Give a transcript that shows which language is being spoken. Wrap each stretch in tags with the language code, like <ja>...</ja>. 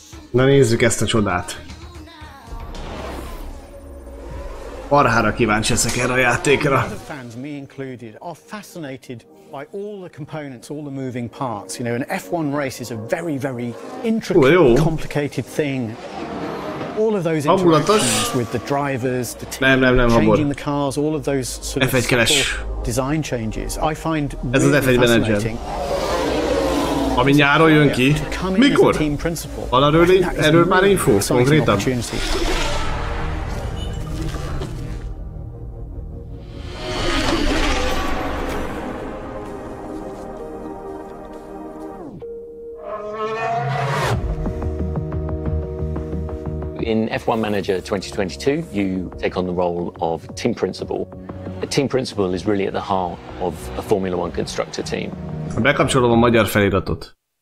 <hu>Na nézzük ezt a csodát. Marhára kíváncsi ezek erre a játékra.</hu> <en>Fans, me included, are fascinated by all the components, all the moving parts. You know, an F1 race is a very, very intricate, complicated thing. All of those interactions with the drivers, the team,</en> <hu>nem,</hu> <en>changing the cars, all of those sort of design changes, I find really fascinating.</en> <hu>Ami nyáron jön ki. Mikor? Van erről really már info, konkrétan?</hu> <en>In F1 Manager 2022, you take on the role of team principal. A team principal is really at the heart of a Formula One constructor team.</en> <hu>Bekapcsolom a magyar feliratot.</hu>